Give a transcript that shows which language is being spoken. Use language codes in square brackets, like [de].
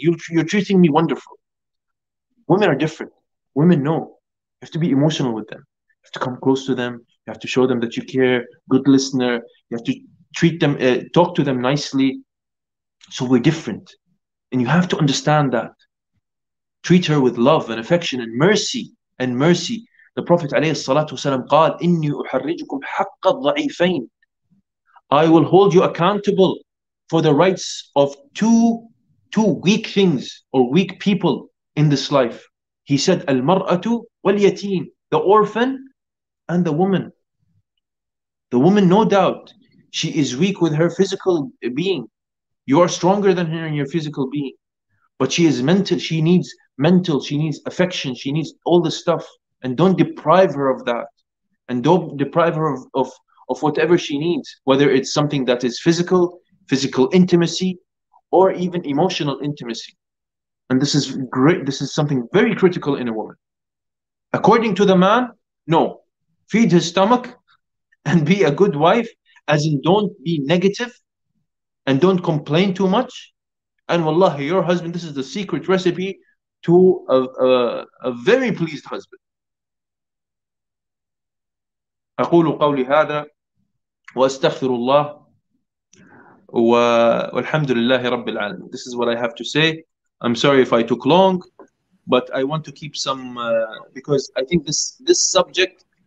[en] You're treating me wonderful. Women are different. Women know. You have to be emotional with them. You have to come close to them. You have to show them that you care, good listener. You have to treat them, talk to them nicely. So we're different. And you have to understand that. Treat her with love and affection and mercy. And mercy. The Prophet ﷺ said, [ar] إِنِّي أُحَرِّجُكُمْ حَقَّ الضَّعِيفَيْنِ. [en] I will hold you accountable for the rights of two weak things or weak people in this life. He said, [ar] الْمَرْأَةُ وَالْيَتِينَ. [en] The orphan and the woman. The woman, no doubt, she is weak with her physical being. You are stronger than her in your physical being. But she is mental. She needs mental. She needs affection. She needs all this stuff. And don't deprive her of that. And don't deprive her of whatever she needs, whether it's something that is physical intimacy, or even emotional intimacy. And this is great. This is something very critical in a woman. According to the man, no. Feed his stomach. And be a good wife, as in don't be negative and don't complain too much. And wallahi, your husband, this is the secret recipe to a very pleased husband. [ar] أقول قولي هذا وأستغفر الله والحمد لله رب العالمين. [en] This is what I have to say. I'm sorry if I took long, but I want to keep some because I think this subject